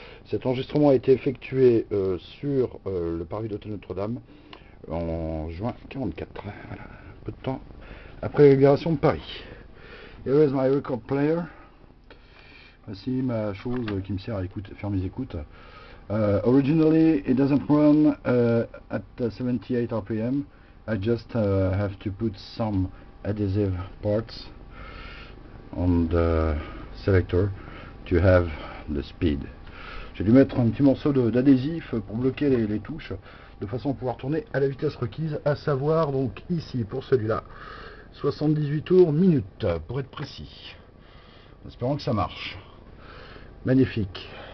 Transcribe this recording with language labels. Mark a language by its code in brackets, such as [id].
[fr] Cet enregistrement a été effectué sur le parvis d'hôtel Notre-Dame en juin 44. Voilà. Un peu de temps après la libération de Paris. [en] Here is my record player. [fr] Voici ma chose qui me sert à écouter, faire mes écoutes. [en] Originally, it doesn't run at 78 RPM. I just have to put some adhesive parts on the selector to have the speed. [fr] J'ai dû mettre un petit morceau d'adhésif pour bloquer les touches de façon à pouvoir tourner à la vitesse requise, à savoir donc ici pour celui-là 78 tours minute pour être précis. Espérons que ça marche. Magnifique.